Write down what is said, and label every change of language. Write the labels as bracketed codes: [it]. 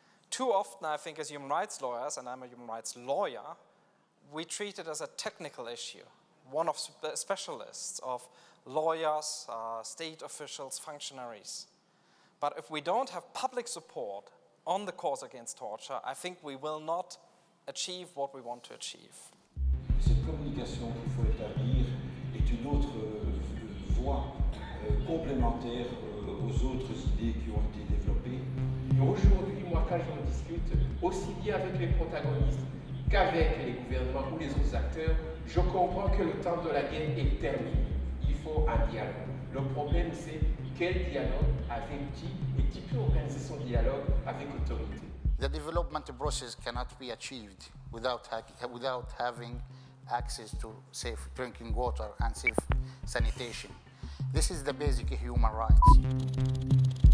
[en] Too often, I think, as human rights lawyers, and I'm a human rights lawyer, we treat it as a technical issue, one of specialists, of lawyers, state officials, functionaries. But if we don't have public support on the cause against torture, I think we will not achieve what we want to achieve. [fr] Cette communication qu'il faut établir est une autre voie complémentaire aux autres idées qui ont été développées. Aujourd'hui, moi, quand j'en discute aussi bien avec les protagonistes qu'avec les gouvernements ou les autres acteurs, je comprends que le temps de la guerre est terminé. Il faut un dialogue. Le problème, c'est quel dialogue avec qui et qui peut organiser son dialogue avec autorité. [en] The development process cannot be achieved without having access to safe drinking water and safe sanitation. This is the basic human rights.